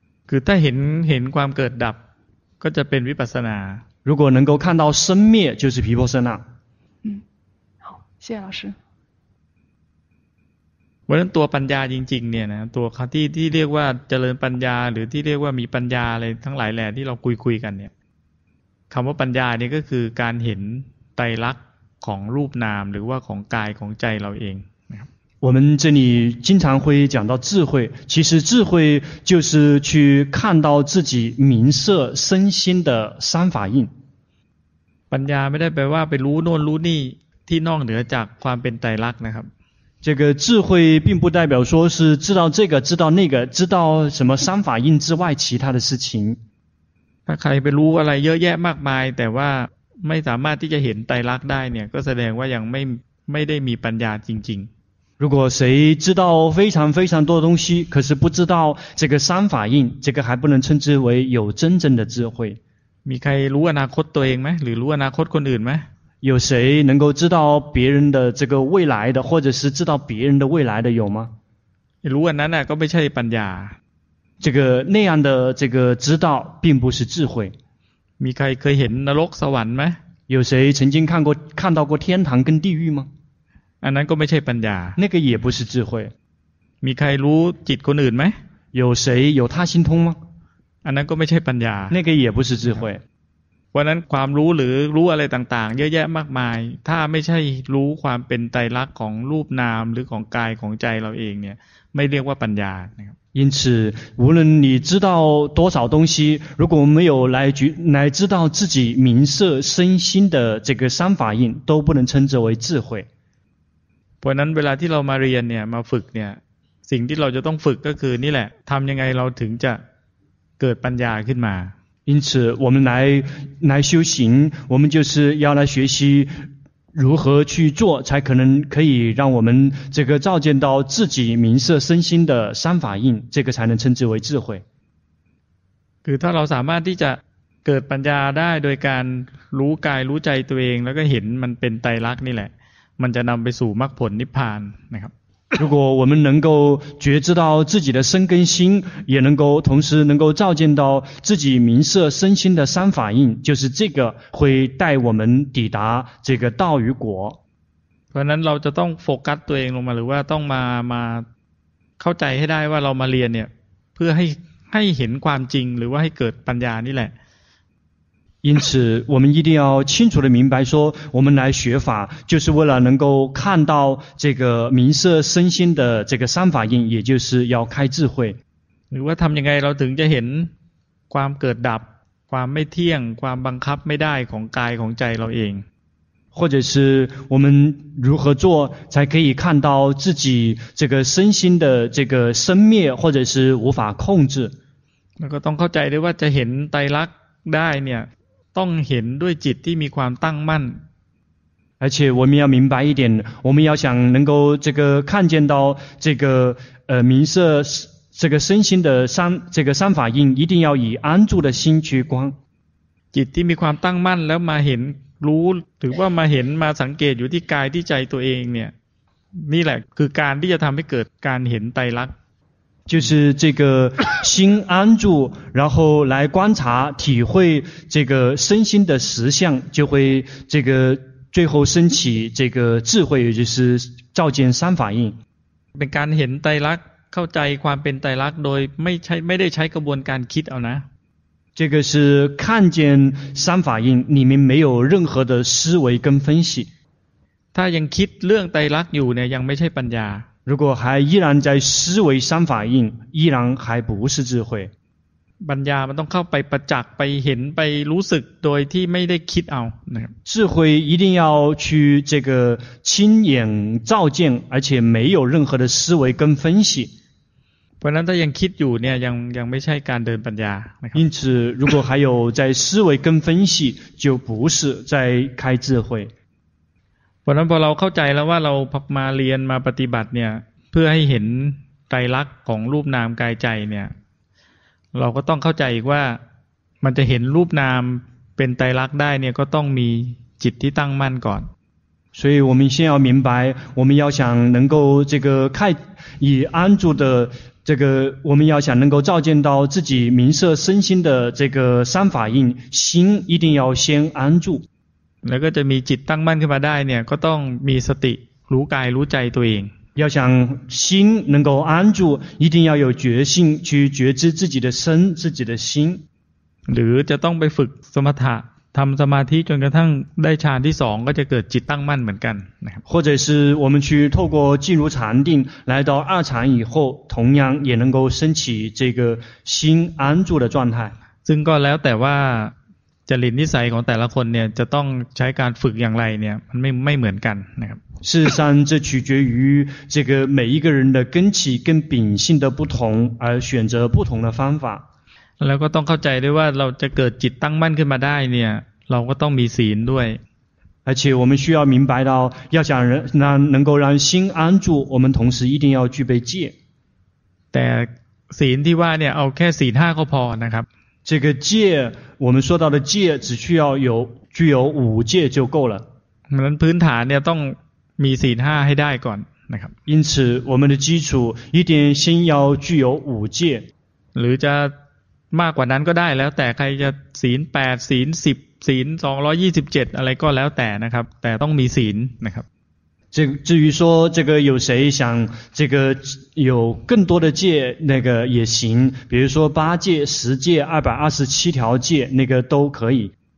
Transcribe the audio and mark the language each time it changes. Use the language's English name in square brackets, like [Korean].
[Thai] คือถ้าเห็นความเกิดดับก็จะเป็นวิปัสสนา [Chinese] 如果能够看到生灭就是毗婆舍那好谢谢老师 [Thai] เพราะนั้นตัวปัญญาจริงๆเนี่ยนะตัวคติที่เรียกว่าเจริญปัญญาหรือที่เรียกว่ามีปัญญาอะไรทั้งหลายแหละที่เราคุยกันเนี่ยคำว่าปัญญาเนี่ยก็คือการเห็นไตรลักษณ์ของรูปนามหรือว่าของกายของใจเราเองนะครับ [Chinese] 我们这里经常会讲到智慧其实智慧就是去看到自己名色身心的三法印 [Thai] ปัญญาไม่ได้แปลว่าไปรู้โน่นรู้นี่ที่นอกเหนือจากความเป็นไตรลักษณ์นะครับ [Chinese] 这个智慧并不代表说是知道这个知道那个知道什么三法印之外其他的事情 [Thai] ถ้าใครไปรู้อะไรเยอะแยะมากมายแต่ว่าไม่สามารถที่จะเห็นไตรลักษณ์ได้เนี่ยก็แสดงว่ายังไม่ได้มีปัญญาจริง [Chinese] ๆ如果谁知道非常非常多的东西可是不知道这个三法印这个还不能称之为有真正的智慧 [Thai] มีใครรู้อนาคตตัวเองไหมหรือรู้อนาคตคนอื่นไหม [Chinese] 有谁能够知道别人的这个未来的或者是知道别人的未来的有吗 [Thai] รู้อันนั้นก็ไม่ใช่ปัญญา [Chinese] 这个那样的这个知道并不是智慧 [Thai] มีใครเคยเห็นนรกสวรรค์ไหม [Chinese] 有谁曾经看到过天堂跟地狱吗 [Thai] อันนั้นก็ไม่ใช่ปัญญา [Chinese] 那个也不是智慧 [Thai] มีใครรู้จิตคนอื่นไหม [Chinese] 有谁有他心通吗 [Thai] อันนั้นก็ไม่ใช่ปัญญา [Chinese] 那个也不是智慧 [Thai] เพราะนั้นความรู้หรือรู้อะไรต่างๆเยอะแยะมากมายถ้าไม่ใช่รู้ความเป็นไตรลักษณ์ของรูปนามหรือของกายของใจเราเองเนี่ยไม่เรียกว่าปัญญานะครับ [Chinese] 因此无论你知道多少东西如果没有来知道自己名色身心的这个三法印都不能称之为智慧 [Thai] เพราะนั้นเวลาที่เรามาเรียนเนี่ยมาฝึกเนี่ยสิ่งที่เราจะต้องฝึกก็คือนี่แหละทำยังไงเราถึงจะเกิดปัญญาขึ้นมา [Chinese] 因此我们来修行我们就是要来学习如何去做才可以让我们这个照见到自己名色身心的三法印这个才能称之为智慧 [Thai] คือถ้าเราสามารถที่จะเกิดปัญญาได้โดยการรู้กายรู้ใจตัวเองแล้วก็เห็นมันเป็นไตรลักษณ์นี่แหละมันจะนำไปสู่มรรคผลนิพพานนะครับ [Chinese] 如果我们能够觉知到自己的身跟心也能够同时能够照见到自己名色身心的三法印就是这个会带我们抵达这个道与果 [Thai] เพราะนั้นเราจะต้องโฟกัสตัวเองลงมาหรือว่าต้องมาเข้าใจให้ได้ว่าเรามาเรียนเนี่ยเพื่อให้เห็นความจริงหรือว่าให้เกิดปัญญานี่แหละ [Chinese] 因此我们一定要清楚地明白说我们来学法就是为了能够看到这个名色身心的这个三法印也就是要开智慧 [Thai] หรือว่าทำยังไงเราถึงจะเห็นความเกิดดับความไม่เที่ยงความบังคับไม่ได้ของกายของใจเราเอง [Chinese] 或者是我们如何做才可以看到自己这个身心的这个生灭或者是无法控制 [Thai] แล้วก็ต้องเข้าใจด้วยว่าจะเห็นไตรลักษณ์ได้เนี่ยต้องเห็นด้วยจิตที่มีความตั้งมั่น [Chinese] 而且我们要明白一点我们要想能够这个看见到这个名色这个身心的三这个三法印一定要以安住的心去观 [Thai] จิตที่มีความตั้งมั่นแล้วมาเห็นรู้หรือว่ามาเห็นมาสังเกตอยู่ที่กายที่ใจตัวเองเนี่ยนี่แหละคือการที่จะทำให้เกิดการเห็นไตรลักษณ์ [Chinese] 就是这个心安住然后来观察体会这个身心的实相就会这个最后升起这个智慧也就是照见三法印 [Thai] เป็นการเห็นไตรลักษณ์เข้าใจความเป็นไตรลักษณ์โดยไม่ได้ใช้กระบวนการคิดเอานะ [Chinese] 这个是看见三法印里面没有任何的思维跟分析 [Thai] ถ้ายังคิดเรื่องไตรลักษณ์อยู่เนี่ยยังไม่ใช่ปัญญา [Chinese] 如果还依然在思维三法印依然还不是智慧 [Thai] ปัญญามันต้องเข้าไปประจักษ์ไปเห็นไปรู้สึกโดยที่ไม่ได้คิดเอา [Chinese] 智慧一定要去这个亲眼照见而且没有任何的思维跟分析 [Thai] เพราะนั้นถ้ายังคิดอยู่เนี่ยยังไม่ใช่การเดินปัญญานะครับ [Chinese] 因此如果还有在思维跟分析就不是在开智慧 [Thai] เพราะนั้นพอเราเข้าใจแล้วว่าเราพักมาเรียนมาปฏิบัติเนี่ยเพื่อให้เห็นไตรลักษณ์ของรูปนามกายใจเนี่ยเราก็ต้องเข้าใจอีกว่ามันจะเห็นรูปนามเป็นไตรลักษณ์ได้เนี่ยก็ต้องมีจิตที่ตั้งมั่นก่อน [Chinese] 所以我们先要明白我们要想能够这个开以安住的这个我们要想能够照见到自己名色身心的这个三法印心一定要先安住 [Thai] แล้วก็จะมีจิตตั้งมั่นขึ้นมาได้เนี่ยก็ต้องมีสติรู้กายรู้ใจตัวเอง [Chinese] 要想心能够安住一定要有觉性去觉知自己的身自己的心 [Thai] หรือจะต้องไปฝึกสมถะทำสมาธิจนกระทั่งได้ฌานที่สองก็จะเกิดจิตตั้งมั่นเหมือนกันนะครับ [Chinese] 或者是我们去透过进入禅定来到二禅以后同样也能够升起这个心安住的状态 [Thai] ซึ่งก็แล้วแต่ว่าจริตนิสัยของแต่ละคนเนี่ยจะต้องใช้การฝึกอย่างไรเนี่ยมันไม่เหมือนกันนะครับ [Chinese] 事实上这取决于这个每一个人的根器跟秉性的不同而选择不同的方法 [Thai] แล้วก็ต้องเข้าใจด้วยว่าเราจะเกิดจิตตั้งมั่นขึ้นมาได้เนี่ยเราก็ต้องมีศีลด้วย [Chinese] 而且我们需要明白到要想能够让心安住我们同时一定要具备戒 [Thai] แต่ศีลที่ว่าเนี่ยเอาแค่ศีล5ก็พอนะครับ [Chinese] 这个戒，我们说到的戒，只需要有具有五戒就够了。 [Thai] นั้นพื้นฐานเนี่ยต้องมีศีลห้าให้ได้ก่อนนะครับ。 [Chinese] 因此，我们的基础一定先要具有五戒。 [Thai] หรือจะมากกว่านั้นก็ได้แล้วแต่ใครจะศีล8ศีล10ศีล227อะไรก็แล้วแต่นะครับแต่ต้องมีศีลนะครับ [Chinese] 至于说这个有谁想这个有更多的戒那个也行比如说八戒十戒227条戒那个都可以